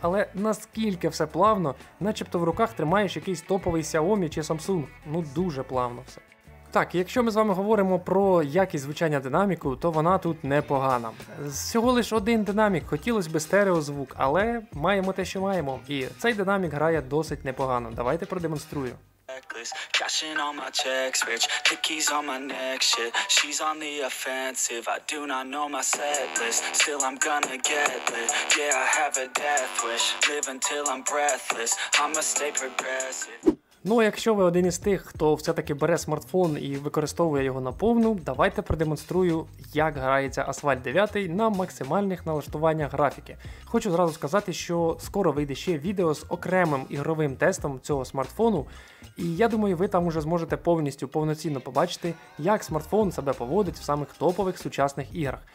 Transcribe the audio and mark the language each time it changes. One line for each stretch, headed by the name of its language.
Ukrainian: Але наскільки все плавно, начебто в руках тримаєш якийсь топовий Xiaomi чи Samsung. Ну дуже плавно все. Так, якщо ми з вами говоримо про якість звучання динаміку, то вона тут непогана. Всього лише один динамік, хотілося б стереозвук, але маємо те, що маємо. І цей динамік грає досить непогано, давайте продемонструю.
English: Cashing all my checks, rich pickies on my neck, shit. She's on the offensive, I do not know my set list. Still I'm gonna get lit, yeah I have a death wish. Live until I'm breathless, I'ma stay progressive.
Ukrainian: Ну, а якщо ви один із тих, хто все-таки бере смартфон і використовує його наповну, давайте продемонструю, як грається Asphalt 9 на максимальних налаштуваннях графіки. Хочу зразу сказати, що скоро вийде ще відео з окремим ігровим тестом цього смартфону, і я думаю, ви там уже зможете повністю повноцінно побачити, як смартфон себе поводить в самих топових сучасних іграх.